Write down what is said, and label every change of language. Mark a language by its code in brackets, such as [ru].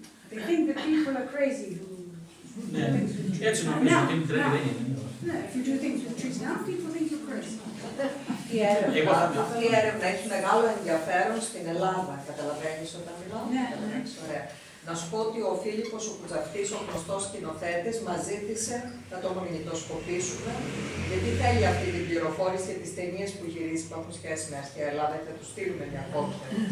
[en] They think the people are crazy. [el] Ναι, έτσι νομίζω ότι είναι τρελή. [en] Ναι, if you do things with trees now, people think you're crazy. [el] Η έρευνα έχει μεγάλο ενδιαφέρον στην Ελλάδα, καταλαβαίνεις όταν μιλάω. Ναι, ωραία. Να σου πω ότι ο Φίλιππος ο Κουτσαφτής, ο γνωστός σκηνοθέτης, μας ζήτησε να το μαγνητοσκοπήσουμε, γιατί θέλει αυτή την πληροφόρηση για τις ταινίες που γυρίζει, που έχουν σχέση με αρχαία Ελλάδα, και θα τους στείλουμε μια κόπια.